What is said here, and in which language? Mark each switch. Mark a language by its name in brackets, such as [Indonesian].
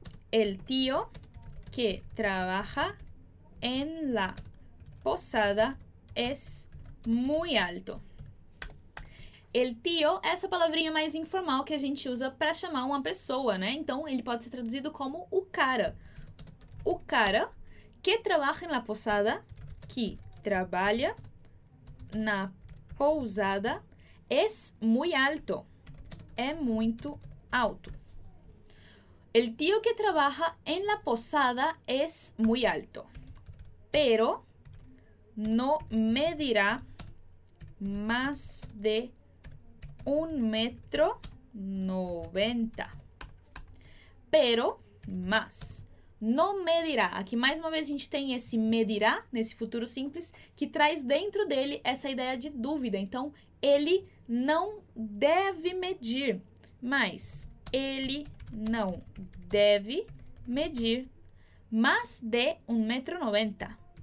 [Spanish] El tío que trabaja en la posada es muy alto. [Portuguese] El tío é essa palavrinha mais informal que a gente usa para chamar uma pessoa, né? Então, ele pode ser traduzido como o cara. O cara que [Spanish] trabaja en la posada, [Portuguese] que trabalha na pousada, [Spanish] es muy alto. [Portuguese] É muito alto. [Spanish] El tío que trabaja en la posada es muy alto. Pero no medirá más de 1,90 m. Pero más. No medirá. [Portuguese] Aqui mais uma vez a gente tem esse medirá, nesse futuro simples, que traz dentro dele essa ideia de dúvida. Então, ele não deve medir. Mas, ele não deve medir mais de 1,90 m.